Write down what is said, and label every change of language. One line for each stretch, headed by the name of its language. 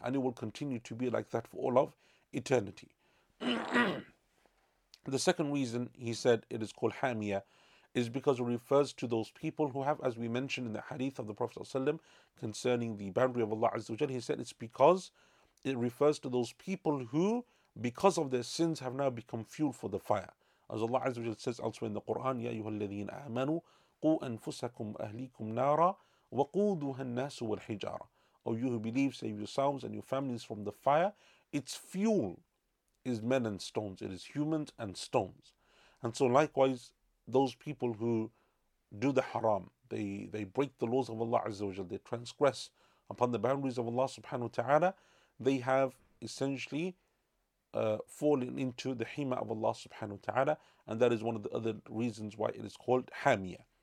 English: And it will continue to be like that for all of eternity. The second reason he said it is called Hamiya is because it refers to those people who have, as we mentioned in the hadith of the Prophet ﷺ, concerning the boundary of Allah Azza wa Jalla, he said it's because it refers to those people who, because of their sins, have now become fuel for the fire. As Allah Azza wa Jalla says elsewhere in the Quran,
Arabic: يَا أَيُّهَا الَّذِينَ آمَنُوا قُوا أَنفُسَكُمْ أَهْلِيكُمْ نَارًا وَقُودُهَا النَّاسُ وَالْحِجَارَةُ.
English: O you who believe, save yourselves and your families from the fire. Its fuel is men and stones. It is humans and stones. And so likewise, those people who do the haram, they break the laws of Allah Azza wa Jalla, they transgress upon the boundaries of Allah subhanahu wa ta'ala, they have essentially fallen into the hima of Allah subhanahu wa ta'ala, and that is one of the other reasons why it is called hamiya.